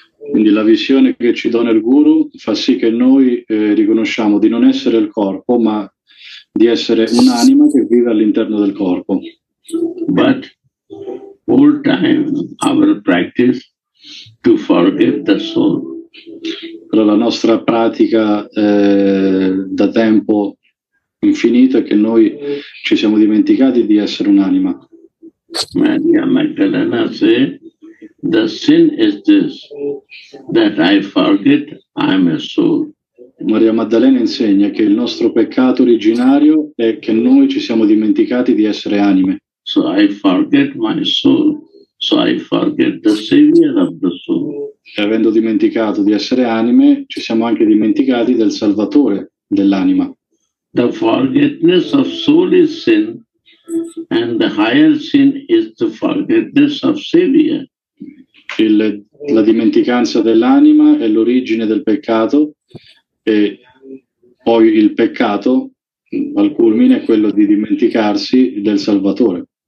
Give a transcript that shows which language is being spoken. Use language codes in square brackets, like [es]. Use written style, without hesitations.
[it] Quindi la visione che ci dona il Guru fa sì che noi riconosciamo di non essere il corpo, ma di essere un'anima che vive all'interno del corpo. [en] But all time our practice to forget the soul. [it] Però la nostra pratica da tempo infinito è che noi ci siamo dimenticati di essere un'anima. [en] Maria Magdalena say, the sin is this, that I forget I'm a soul. [it] Maria Maddalena insegna che il nostro peccato originario è che noi ci siamo dimenticati di essere anime. [en] So I forget my soul. So I forget the savior of the soul. [it] E avendo dimenticato di essere anime, ci siamo anche dimenticati del salvatore dell'anima. [en] The forgetness of soul is sin, and the higher sin is the forgetness of savior. [it] La dimenticanza dell'anima è l'origine del peccato, e poi il peccato al culmine è quello di dimenticarsi del salvatore.